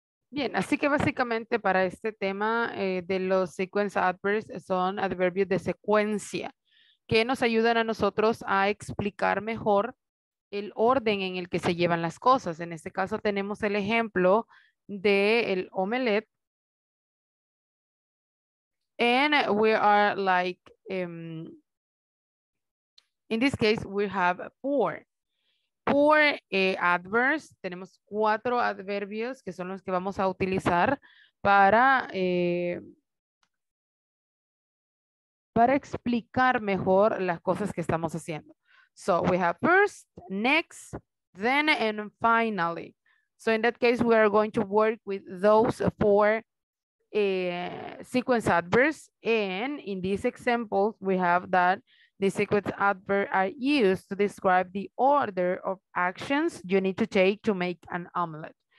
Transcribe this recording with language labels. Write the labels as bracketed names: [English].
[Spanish] Bien, así que básicamente para este tema de los sequence adverbs son adverbios de secuencia que nos ayudan a nosotros a explicar mejor el orden en el que se llevan las cosas. En este caso tenemos el ejemplo del omelette. [English] And we are like, in this case we have four. Four adverbs, [Spanish] tenemos cuatro adverbios que son los que vamos a utilizar para explicar mejor las cosas que estamos haciendo. [English] So we have first, next, then, and finally. So in that case, we are going to work with those four sequence adverbs. And in these examples, we have that the sequence adverb are used to describe the order of actions you need to take to make an omelet.